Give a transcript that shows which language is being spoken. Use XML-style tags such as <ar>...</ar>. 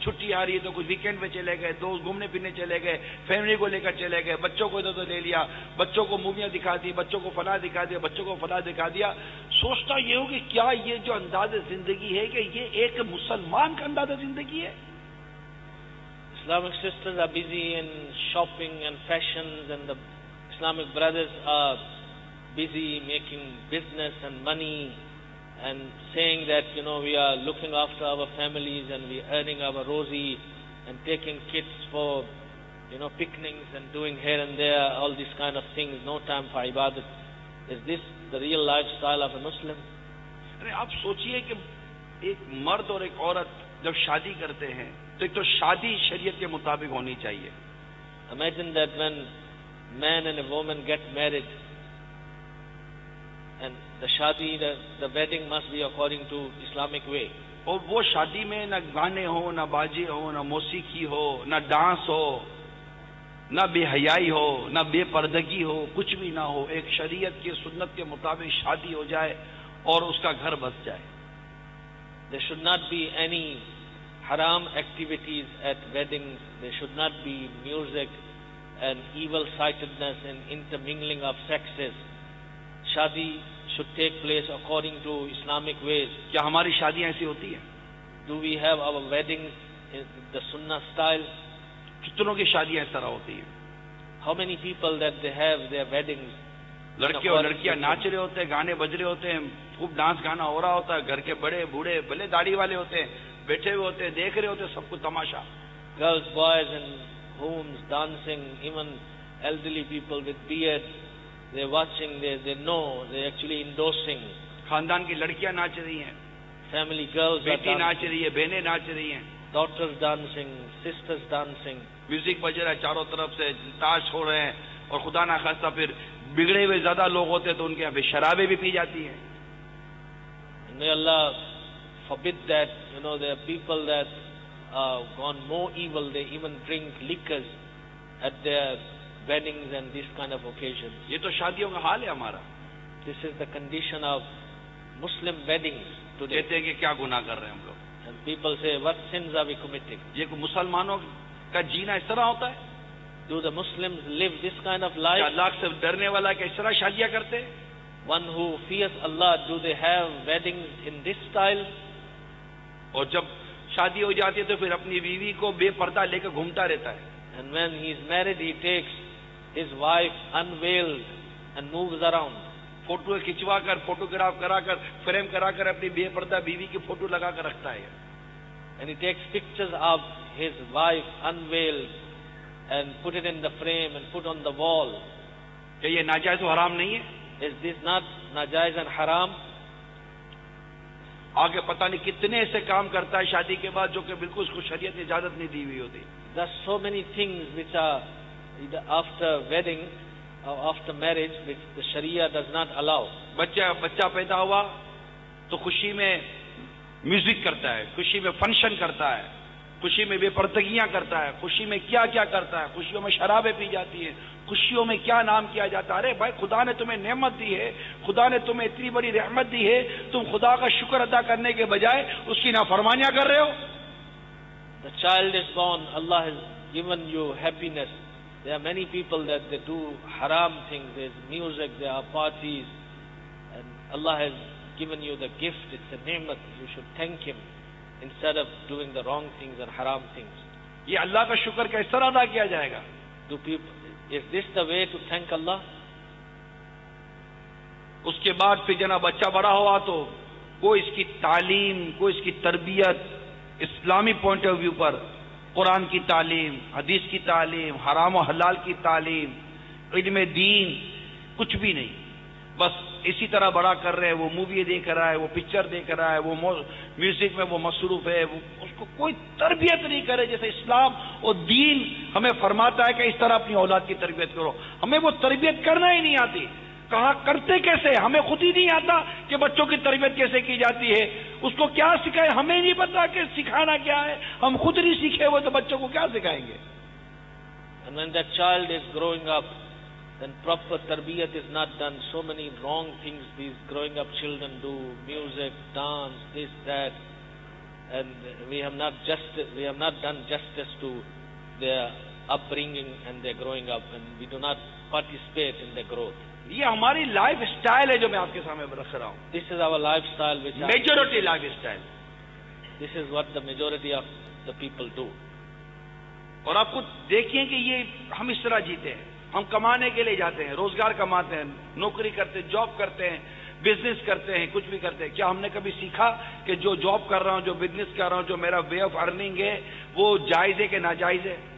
<ur>چھٹی آ رہی ہے تو کچھ ویکینڈ پہ چلے گئے, دوست گھومنے پھرنے چلے گئے, فیملی کو لے کر چلے گئے, بچوں کو ادھر ادھر لے لیا, بچوں کو موویاں دکھا دی, بچوں کو فلاں دکھا دیا, بچوں کو فلاں دکھا دیا. سوچتا یہ ہوں کہ کیا یہ جو انداز زندگی ہے کہ یہ ایک مسلمان کا انداز زندگی ہے؟</ur> <en>Islamic sisters are busy in shopping and fashions, and the Islamic brothers are busy making business and money and saying that, you know, we are looking after our families and we are earning our rosy and taking kids for, you know, picnics and doing here and there, all these kind of things, no time for ibadat. Is this the real lifestyle of a Muslim?</en> <ur>آپ سوچئے کہ ایک مرد اور ایک عورت جب شادی کرتے ہیں تو ایک تو شادی شریعت کے مطابق ہونی چاہیے.</ur> <en>Imagine that when man and a woman get married and the shadi, the wedding must be according to Islamic way.</en> <ur>اور وہ شادی میں نہ گانے ہو, نہ باجے ہو, نہ موسیقی ہو, نہ ڈانس ہو, نہ بے حیائی ہو, نہ بے پردگی ہو, کچھ بھی نہ ہو, ایک شریعت کے سنت کے مطابق شادی ہو جائے اور اس کا گھر بس جائے.</ur> <en>There should not be any haram activities at weddings, there should not be music and evil sightedness and intermingling of sexes. Shadi should take place according to Islamic ways.</en> <ur>Kya hamari shadiyan aisi hoti hain?</ur> <en>Do we have our weddings in the sunnah style?</en> <ur>Kitno ki shadiyan is tarah hoti hain?</ur> <en>How many people that they have their weddings?</en> <ur>لڑکے اور لڑکیاں ناچ رہے ہوتے ہیں, گانے بج رہے ہوتے ہیں, خوب ڈانس گانا ہو رہا ہوتا ہے, گھر کے بڑے بوڑھے بھلے داڑھی والے ہوتے ہیں بیٹھے ہوئے ہوتے ہیں, دیکھ رہے ہوتے ہیں سب کو تماشا.</ur> <en>Girls boys and homes dancing, even elderly people with beard, they watching, they know, they actually endorsing.</en> <ur>خاندان کی لڑکیاں ناچ رہی ہیں,</ur> <en>family girls,</en> <ur>بیٹی ناچ رہی ہے, بہنیں ناچ رہی ہیں,</ur> <en>daughters dancing, sisters dancing,</en> <ur>music بج رہا ہے چاروں طرف سے, تاش ہو رہے ہیں, اور خدا نہ خواستہ پھر بگڑے ہوئے زیادہ لوگ ہوتے ہیں تو ان کے یہاں پہ شرابیں بھی پی جاتی ہیں.</ur> <en>May Allah forbid that, you know, there are people that have gone more evil, they even drink liquors at their weddings and this kind of occasions.</en> <ur>یہ تو شادیوں کا حال ہے ہمارا.</ur> <en>This is the condition of Muslim weddings today.</en> <ur>کہتے ہیں کہ کیا گناہ کر رہے ہیں ہم لوگ.</ur> <en>And people say, what sins are we committing?</en> <ur>یہ کوئی مسلمانوں کا جینا اس طرح ہوتا ہے؟</ur> <en>Do the Muslims live this kind of life?</en> <ur>کیا اللہ سے ڈرنے والا کہ اس طرح شادیاں کرتے ہیں؟</ur> <en>One who fears Allah, do they have weddings in this style?</en> <ur>اور جب شادی ہو جاتی ہے تو پھر اپنی بیوی کو بے پردہ لے کر گھومتا رہتا ہے.</ur> <en>And when he is married, he takes his wife unveiled and moves around.</en> <ur>Photo کھچوا کر, فوٹوگراف کرا کر, فریم کرا کر اپنی بے پردہ بیوی کی فوٹو لگا کر رکھتا ہے.</ur> <en>And he takes pictures of his wife unveiled and put it in the frame and put on the wall.</en> <ur>کیا یہ ناجائز و حرام نہیں ہے؟</ur> <en>Is this not najayz and haram?</en> <ur>آگے پتا نہیں کتنے ایسے کام کرتا ہے شادی کے بعد جو کہ بالکل اس کو شریعت نے اجازت نہیں دی ہوئی ہوتی.</ur> <en>There are so many things which are after wedding or after marriage which the sharia does not allow.</en> <ur>بچہ پیدا ہوا تو خوشی میں میوزک کرتا ہے, خوشی میں فنکشن کرتا ہے, خوشی میں بے پردگیاں کرتا ہے, خوشی میں کیا کیا کرتا ہے, خوشیوں میں شرابیں پی جاتی ہیں, خوشیوں میں کیا نام کیا جاتا ہے. ارے بھائی, خدا نے تمہیں نعمت دی ہے, خدا نے تمہیں اتنی بڑی رحمت دی ہے, تم خدا کا شکر ادا کرنے کے بجائے اس کی نافرمانیاں کر رہے ہو.</ur> <en>The child is born, Allah has given you happiness. There are many people that they do haram things, there's music, there are parties, and Allah has given you the gift, it's a nimat, you should thank him instead of doing the wrong things and haram things.</en> <ur>یہ اللہ کا شکر کس طرح ادا کیا جائے گا؟</ur> <en>Do people, is this the way to thank Allah?</en> <ur>اس کے بعد پھر جناب بچہ بڑا ہوا تو کوئی اس کی تعلیم, کوئی اس کی تربیت اسلامی</ur> <en>point of view</en> <ur>پر, قرآن کی تعلیم, حدیث کی تعلیم, حرام و حلال کی تعلیم, علم دین, کچھ بھی نہیں. بس اسی طرح بڑا کر رہے ہیں، وہ مووی دیکھ رہا ہے، وہ پکچر دیکھ رہا ہے، وہ میوزک میں وہ مصروف ہے، وہ اس کو کوئی تربیت نہیں کرے جیسے اسلام اور دین ہمیں فرماتا ہے کہ اس طرح اپنی اولاد کی تربیت کرو. ہمیں وہ تربیت کرنا ہی نہیں آتی. کہاں کرتے کیسے، ہمیں خود ہی نہیں آتا کہ بچوں کی تربیت کیسے کی جاتی ہے، اس کو کیا سکھائے ہمیں نہیں پتا کہ سکھانا کیا ہے، ہم خود نہیں سیکھے ہوئے تو بچوں کو کیا سکھائیں گے.</ur> <en>And when that child is growing up, then proper tarbiyat is not done. So many wrong things these growing up children do: music, dance, this, that, and we have not done justice to their upbringing and their growing up, and we do not participate in their growth.</en> <ur>یہ ہماری life style ہے جو میں آپ کے سامنے رکھ رہا ہوں.</ur> <en>This is our lifestyle which majority lifestyle this is what the majority of the people do.</en> <ur>اور آپ کو دیکھیں کہ یہ ہم اس طرح جیتے ہیں، ہم کمانے کے لیے جاتے ہیں، روزگار کماتے ہیں، نوکری کرتے ہیں، جاب کرتے ہیں، بزنس کرتے ہیں، کچھ بھی کرتے ہیں. کیا ہم نے کبھی سیکھا کہ جو جاب کر رہا ہوں، جو بزنس کر رہا ہوں، جو میرا</ur> <en>way of earning</en> <ur>ہے، وہ جائز ہے کہ ناجائز ہے؟</ur>